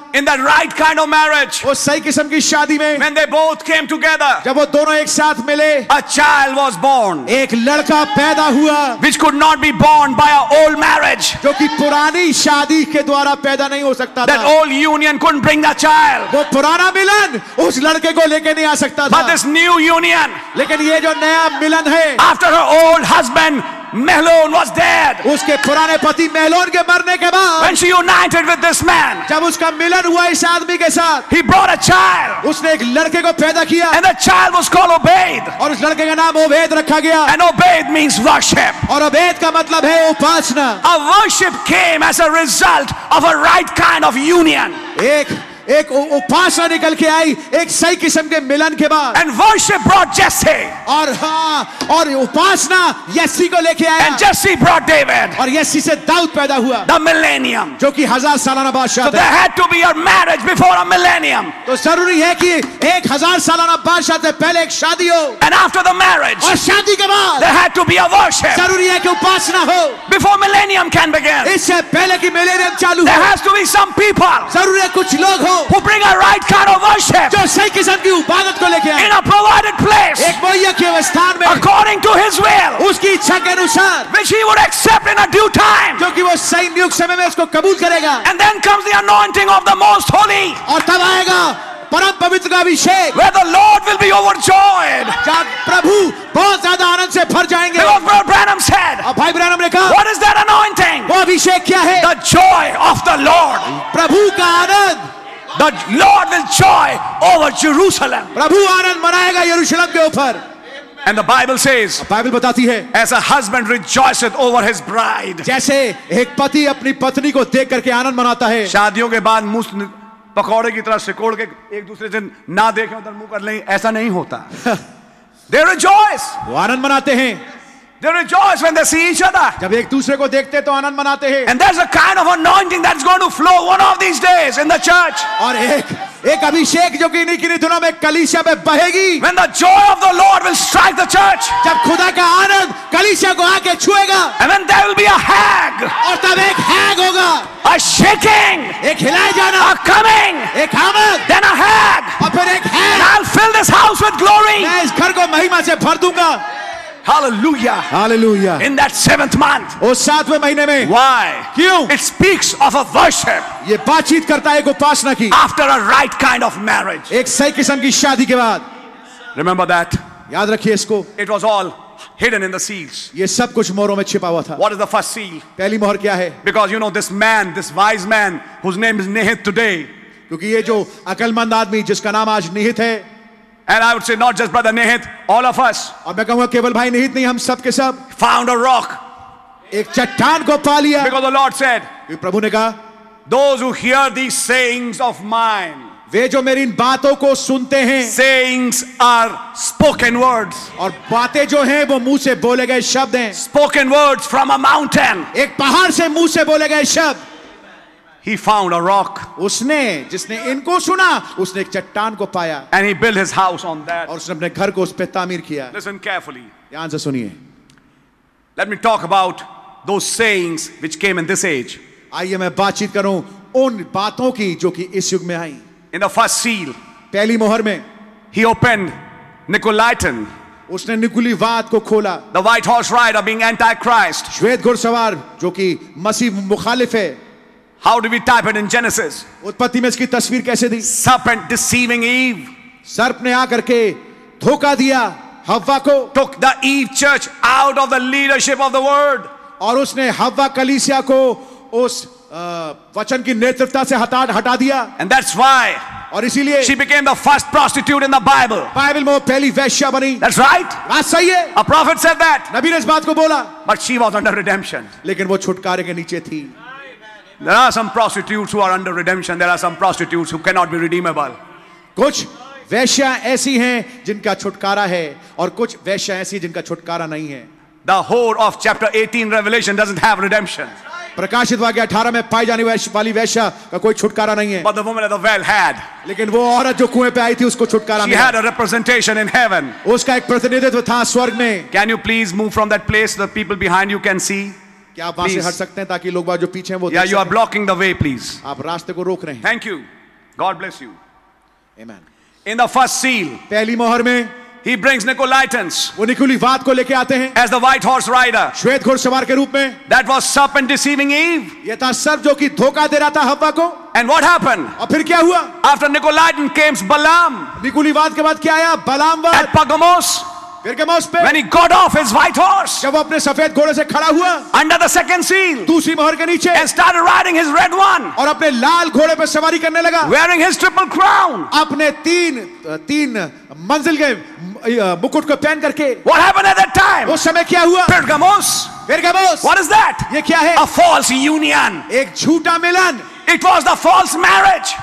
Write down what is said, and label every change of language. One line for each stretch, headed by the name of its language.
English: In that right kind of marriage.
Hindi: वो सही किस्म की शादी में.
English: When they both came together.
Hindi: जब वो दोनों एक साथ मिले.
English: A child was born.
Hindi: एक लड़का पैदा हुआ.
English: Which could not be born by a old marriage.
Hindi: जो कि पुरानी शादी के द्वारा पैदा नहीं हो सकता था.
English: That old union couldn't bring the child.
Hindi: वो पुराना मिलन उस लड़के को लेके नहीं आ सकता था.
English: But this new union.
Hindi: लेकिन ये जो नया मिलन है.
English: After her old husband. Mahlon was dead.
Hindi: उसके पुराने पति मेहलोन के मरने के बाद.
English: When she united with this man.
Hindi: जब उसका मिलन हुआ इस आदमी के साथ.
English: He brought a child.
Hindi: उसने एक लड़के को पैदा किया.
English: And the child was called Obed.
Hindi: और उस लड़के का नाम ओबेद रखा गया.
English: And Obed means worship.
Hindi: और ओबेद का मतलब है उपासना.
English: A worship came as a result of a right kind of union.
Hindi: एक उपासना निकल के आई एक सही किस्म के मिलन के बाद.
English: And worship brought Jesse.
Hindi: और हाँ, और उपासना यस्सी को लेके आया.
English: And Jesse brought David.
Hindi: और यस्सी से दाऊद पैदा हुआ.
English: The millennium.
Hindi: जो कि हजार सालाना बादशाह.
English: So there had to be a marriage before a millennium.
Hindi: तो जरूरी है कि एक हजार सालाना बादशाह से पहले एक शादी हो.
English: And after the marriage.
Hindi: और शादी के बाद.
English: There had to be a worship.
Hindi: जरूरी है कि उपासना हो.
English: Before millennium can begin.
Hindi: इससे पहले कि मिलेनियम चालू हो.
English: There has to be some people.
Hindi: जरूरी है कुछ लोग हो.
English: who bring a right kind of worship,
Hindi: जो सही किस्म की उपासना को लेके आए,
English: in a provided place,
Hindi: एक मुहैया किए हुए स्थान में,
English: according to His will,
Hindi: उसकी इच्छा के अनुसार,
English: which He would accept in a due time,
Hindi: जो कि वो सही नियुक्त समय में उसको कबूल करेगा,
English: and then comes the anointing of the Most Holy,
Hindi: और तब आएगा परम पवित्र का अभिषेक,
English: where the Lord will be overjoyed,
Hindi: जहाँ प्रभु बहुत ज़्यादा आनंद से भर जाएंगे,
English: because Brother Branham said,
Hindi: और भाई ब्रैनम ने कहा,
English: what is that anointing?
Hindi: वो अभिषेक क्या है?
English: The joy of the Lord,
Hindi: प्रभु का आनंद.
English: The Lord will joy over Jerusalem.
Hindi: प्रभु आनंद मनाएगा यरूशलेम के ऊपर.
English: And the Bible says,
Hindi: Bible बताती है,
English: as a husband rejoiceth over his bride,
Hindi: जैसे एक पति अपनी पत्नी को देख करके आनंद मनाता है. शादियों के बाद मुंह पकौड़े की तरह सिकोड़ के एक दूसरे दिन ना देखें उधर मुंह कर लें, ऐसा नहीं होता.
English: They rejoice.
Hindi: वो आनंद मनाते हैं.
English: They rejoice when they see each other.
Hindi: जब एक दूसरे को देखते हैं तो आनंद मनाते हैं.
English: And there's a kind of anointing that's going to flow one of these days in the church.
Hindi: और एक एक अभिषेक जो किन्हीं दिनों में कलीसिया में बहेगी.
English: When the joy of the Lord will strike the church.
Hindi: जब खुदा का आनंद कलीसिया को आके छुएगा.
English: And then there will be a hag.
Hindi: और तब एक हैग होगा.
English: A shaking.
Hindi: एक हिलाए जाना.
English: A coming.
Hindi: एक आमद.
English: Then a hag.
Hindi: और फिर एक हैग.
English: And I'll fill this house with glory.
Hindi: मैं इस घर को महिमा से भर दूंगा.
English: Hallelujah. Hallelujah. In that seventh month.
Hindi: ओ सातवें महीने में.
English: Why?
Hindi: क्यों?
English: It speaks of a worship.
Hindi: ये बातचीत करता है एक उपासना की.
English: After a right kind of marriage.
Hindi: एक सही किस्म की शादी के बाद.
English: Remember that.
Hindi: याद रखिए इसको.
English: It was all hidden in the seals.
Hindi: ये सब कुछ मोहरों में छिपा हुआ था.
English: What is the first seal?
Hindi: पहली मोहर क्या है?
English: Because you know this man, this wise man, whose name is Nihit today.
Hindi: क्योंकि ये जो अकलमंद आदमी जिसका नाम आज निहित है.
English: And I would say not just brother Nihit, all of us.
Hindi: और मैं कहूँगा केवल भाई निहित नहीं, हम सब के सब.
English: Found a rock.
Hindi: एक चट्टान को पा लिया.
English: Because the Lord said.
Hindi: प्रभु ने कहा.
English: Those who hear these sayings of mine.
Hindi: वे जो मेरी इन बातों को सुनते हैं.
English: Sayings are spoken words.
Hindi: और बातें जो हैं वो मुंह से बोले गए शब्द हैं.
English: Spoken words from a mountain.
Hindi: एक पहाड़ से मुंह से बोले गए शब्द.
English: He found a rock.
Hindi: उसने जिसने इनको सुना उसने एक चट्टान को पाया.
English: And he built his house on that.
Hindi: और उसने अपने घर को उस पे तामीर किया.
English: Listen carefully.
Hindi: ध्यान से सुनिए.
English: Let me talk about those sayings which came in this age.
Hindi: आइए मैं बातचीत करूं उन बातों की जो कि इस युग में आई.
English: In the first seal.
Hindi: पहली मोहर में.
English: He opened Nicolaitan.
Hindi: उसने निकुलीवाद को खोला.
English: The white horse rider being antichrist.
Hindi: श्वेत घुड़सवार जो कि मसीह मुखालिफ है.
English: How do we type it in Genesis?
Hindi: उत्पत्ति में इसकी तस्वीर कैसे दी?
English: Serpent deceiving Eve.
Hindi: सर्प ने आकर के धोखा दिया हव्वा को.
English: Took the Eve church out of the leadership of the word.
Hindi: और उसने हव्वा कलीसिया को उस वचन की नेतृत्वता से हटा दिया.
English: And that's why.
Hindi: और इसीलिए.
English: She became the first prostitute in the Bible.
Hindi: Bible में वो पहली वेश्या बनी.
English: That's right.
Hindi: बात सही है.
English: A prophet said that.
Hindi: नबी ने इस बात को बोला.
English: But she was under redemption.
Hindi: लेकिन वो छुटकारे के नीचे थी.
English: There are some prostitutes who are under redemption. There are some prostitutes who cannot be redeemable.
Hindi: कुछ वेश्या ऐसी हैं जिनका छुटकारा है और कुछ वेश्या ऐसी जिनका छुटकारा नहीं है.
English: The whore of chapter 18 Revelation doesn't have redemption.
Hindi: प्रकाशित वाक्य 18 में पाई जाने वाली वेश्या का कोई छुटकारा नहीं है.
English: But the woman at the well had.
Hindi: लेकिन वो औरत जो कुएं पे आई थी उसको छुटकारा मिला.
English: She had a representation in heaven.
Hindi: उसका एक प्रतिनिधित्व था स्वर्ग में.
English: Can you please move from that place so the people behind you can see?
Hindi: क्या आप वहां से हट सकते हैं ताकि लोग जो पीछे हैं वो.
English: You are blocking the way please.
Hindi: आप रास्ते को रोक रहे हैं.
English: Thank you. God bless you.
Hindi: Amen.
English: In the first seal.
Hindi: पहली मोहर में.
English: He brings Nicolaitans.
Hindi: वो निकुलीवाद को लेके आते हैं.
English: As the white horse rider.
Hindi: श्वेत घुड़सवार के रूप में.
English: That was serpent deceiving Eve.
Hindi: ये था सर्प जो कि धोखा दे रहा था हव्वा को.
English: And what happened?
Hindi: और फिर क्या हुआ?
English: After Nicolaitan came Balaam.
Hindi: निकुलीवाद के बाद क्या आया? बलाम वाद.
English: At Pergamos. When he got off his white horse,
Hindi: जब अपने सफेद घोड़े से खड़ा हुआ,
English: under the second seal,
Hindi: दूसरी मोहर के नीचे,
English: and started riding his red one,
Hindi: और अपने लाल घोड़े पर सवारी करने लगा,
English: wearing his triple crown,
Hindi: अपने तीन तीन मंजिल के मुकुट को पहन करके,
English: what happened at that time?
Hindi: उस समय क्या हुआ?
English: Pergamos,
Hindi: Pergamos,
English: what is that?
Hindi: ये क्या है?
English: A false union,
Hindi: एक झूठा मिलन.
English: It was the false marriage.